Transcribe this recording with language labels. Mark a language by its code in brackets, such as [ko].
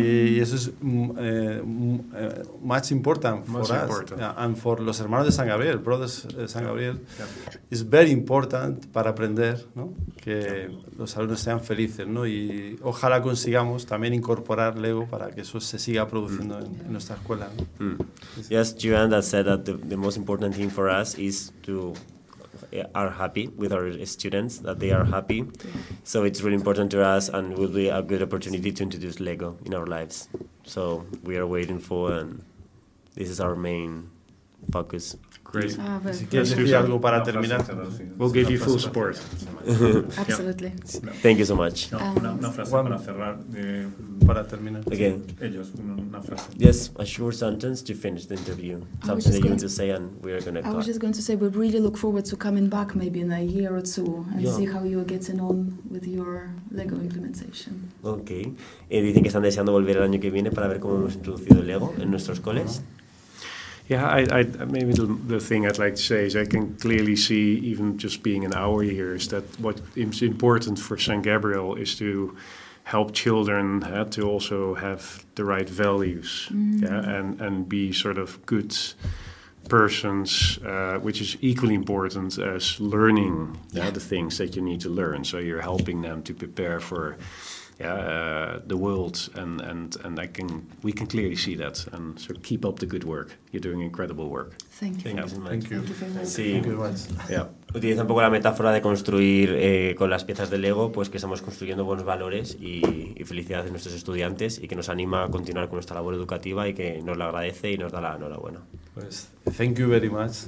[es] Y eso es [en] much important for most us. Important. And for [es] los hermanos de San Gabriel, [en] brothers [es] de San [en] yeah. Gabriel. Yeah. It's very important [es] para aprender, ¿no? Que [en] yeah. [es] los alumnos sean felices, ¿no? Y ojalá consigamos también incorporar Lego para que eso se siga produciendo en nuestra escuela, ¿no? [en] Yes, Joan has said that the most important thing for us is to are happy with our students, that they are happy. So it's really important to us and will be a good opportunity to introduce Lego in our lives. So we are waiting for, and this is our main focus. Great. [es] Algo para terminar. [en] We'll give you full support. Absolutely. Thank you so much. [es] Una frase para cerrar. Para terminar. [en] Again. [es] Ellos, una frase. [en] Yes, a short sentence to finish the interview. Something that you want to say and we are going to talk. I was just going to say we really look forward to coming back maybe in a year or two and yeah. see how you are getting on with your Lego implementation. Okay. [es] Dicen que están deseando volver el año que viene para ver cómo hemos introducido Lego en nuestros coles. Uh-huh. [en] Yeah, I maybe the thing I'd like to say is I can clearly see, even just being an hour here, is that what is important for San Gabriel is to help children to also have the right values, mm. yeah, and be sort of good persons, which is equally important as learning yeah. the things that you need to learn. So you're helping them to prepare for the world, and I can we can clearly see that, and so keep up the good work. You're doing incredible work. Thank you. [es] Utiliza un poco la metáfora de construir con las piezas de Lego, pues que estamos construyendo buenos valores y felicidad de nuestros estudiantes y que nos anima a continuar con nuestra labor educativa y que nos lo agradece y nos da la enhorabuena. [en] Pues, thank you very much.